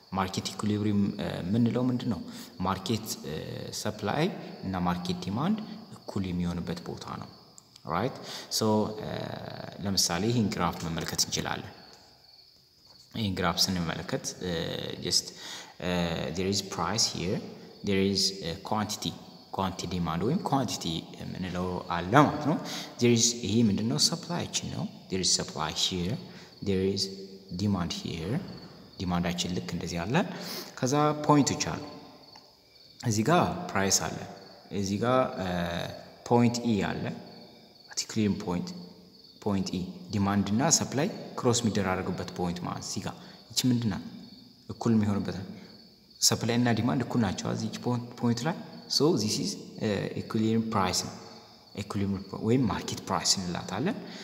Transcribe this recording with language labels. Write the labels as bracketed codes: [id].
[am] Market equilibrium ምንለው ምንድነው? Market supply እና market demand እኩል የሚሆንበት ቦታ ነው. Right? So ለምሳሌ ይሄን graph መመልከት እንችላለን. ይሄን graph ስንመለከት [en] just there is price here, there is quantity demand [am] ወይም quantity ምንለው አለ ማለት ነው. [en] There is [am] ይሄ ምንድነው supply ችን ነው. [en] There is supply here, there is demand here. [am] ዲማንዳችን ልክ እንደዚህ አለ. ከዛ ፖይንቶች አሉ. እዚህ ጋር price አለ. እዚህ ጋር point E አለ. Particular point E demand እና supply cross የሚደራረጉበት point ማለት እዚህ ጋር እቺ ምንድነው እኩል የሚሆንበት supply እና demand እኩል ናቸው እዚህ እቺ point ላይ. [en] So this is equilibrium price. Equilibrium market price እንላታለን.